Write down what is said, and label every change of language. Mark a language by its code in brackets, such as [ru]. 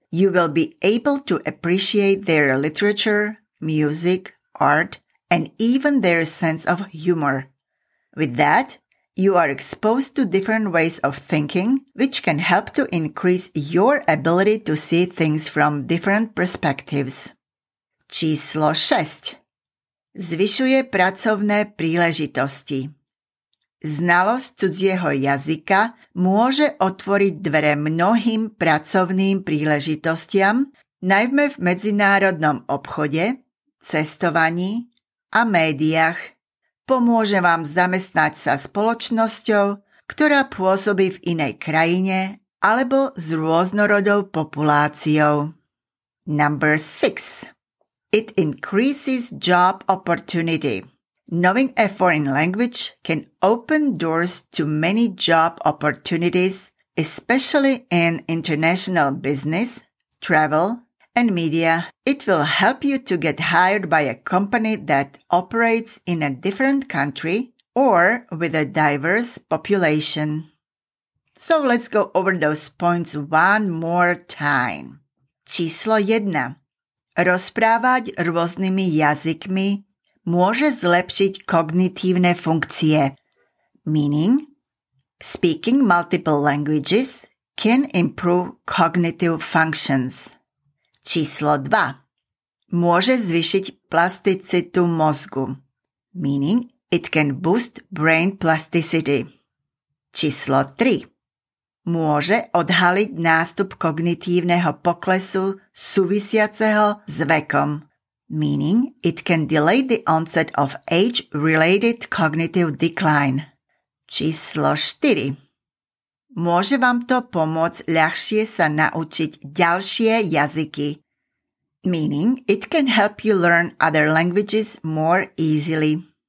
[en] You will be able to appreciate their literature, music, art, and even their sense of humor. With that, you are exposed to different ways of thinking, which can help to increase your ability to see things from different perspectives. [sk] Číslo 6. Zvyšuje pracovné príležitosti. Znalosť cudzieho jazyka môže otvoriť dvere mnohým pracovným príležitostiam, najmä v medzinárodnom obchode, cestovaní a médiách. Pomôže vám zamestnať sa spoločnosťou, ktorá pôsobí v inej krajine alebo s rôznorodou populáciou. [en] Number 6. It increases job opportunity. Knowing a foreign language can open doors to many job opportunities, especially in international business, travel, and media. It will help you to get hired by a company that operates in a different country or with a diverse population. So let's go over those points one more time. [sk] Číslo 1. Rozprávať rôznymi jazykmi môže zlepšiť kognitívne funkcie. [en] Meaning, speaking multiple languages can improve cognitive functions. [sk] Číslo 2. Môže zvýšiť plasticitu mozgu. [en] Meaning, it can boost brain plasticity. [sk] Číslo 3. Môže odhaliť nástup kognitívneho poklesu súvisiaceho s vekom. [en] Meaning, it can delay the onset of age-related cognitive decline. [sk] Číslo 4. Môže vám to pomôcť ľahšie sa naučiť ďalšie jazyky. [en] Meaning, it can help you learn other languages more easily.